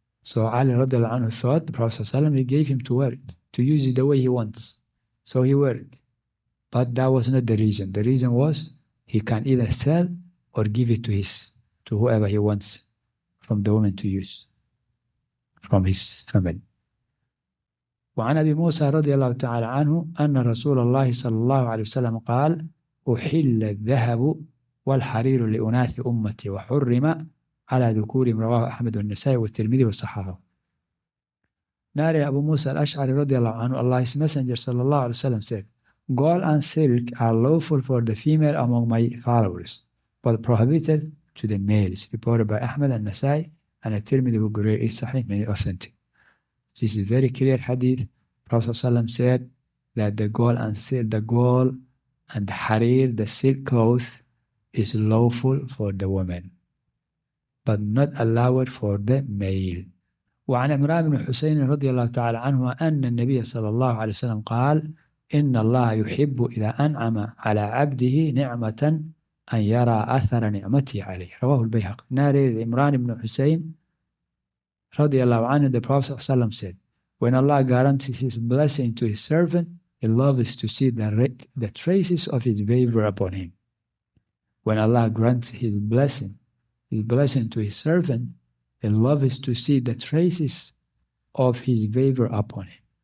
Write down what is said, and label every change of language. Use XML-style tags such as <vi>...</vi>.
<en>So Ali radiallahu anhu thought the Prophet ﷺ, he gave him to wear it, to use it the way he wants. So he wore it. But that was not the reason. The reason was he can either sell or give it to his, to whoever he wants from the woman to use, from his family.</en> <ar>وعن أبي موسى رضي الله تعالى عنه أن رسول الله صلى الله عليه وسلم قال أحل الذهب والحرير لأناث أمتي وحرم على ذكور. رواه أحمد والنسائي والترمذي والصحابة. نار أبو موسى الأشعري رضي الله عنه,</ar> <en>Allah's messenger صلى الله عليه وسلم said, gold and silk are lawful for the female among my followers, but prohibited to the males. Reported by Ahmed al-Nasai and al-Tirmidhi who agree it's sahih, meaning authentic. This is very clear hadith. Prophet ﷺ said that the gold and silk, the gold and the harir, the silk cloth, is lawful for the woman, but not allowed for the male.</en> <ar>وعن عمران بن حسين رضي الله تعالى عنه أن النبي صلى الله عليه وسلم قال إن الله يحب إذا أنعم على عبده نعمة أن يرى أثر نعمته عليه. رواه البيهقي. نارل عمران بن حسين رضي الله عنه,</ar> <en>the Prophet صلى الله عليه وسلم said, when Allah guarantees his blessing to his servant, he loves to see the traces of his favor upon him. When Allah grants his blessing to his servant, he loves to see the traces of his favor upon him.</en>